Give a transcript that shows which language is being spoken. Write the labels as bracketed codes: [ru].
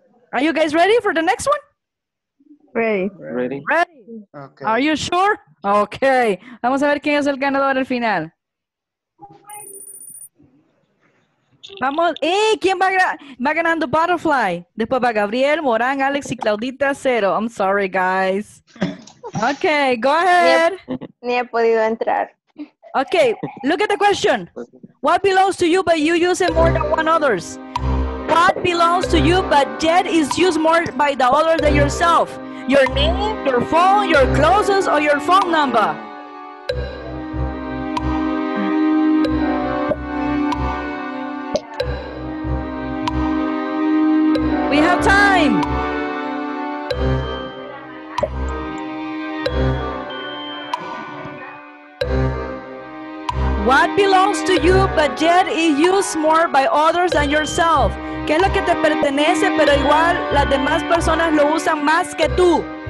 [en] Are you guys ready for the next one? Ready. Okay. Are you sure? Okay. [es] Vamos a ver quién es el ganador al final. Vamos. ¡Eh! ¿Quién va ganando Butterfly? Después va Gabriel, Morán, Alex y Claudita, cero. [en] I'm sorry, guys. Okay, go ahead. [es] Ni he podido entrar. [en] Okay, look at the question. What belongs to you but you use it more than one others? What belongs to you but yet is used more by the other than yourself? Your name, your phone, your clothes, or your phone number? We have time. What belongs to you but yet is used more by others than yourself? [es] ¿Qué es lo que te pertenece, pero igual las demás personas lo usan más que tú?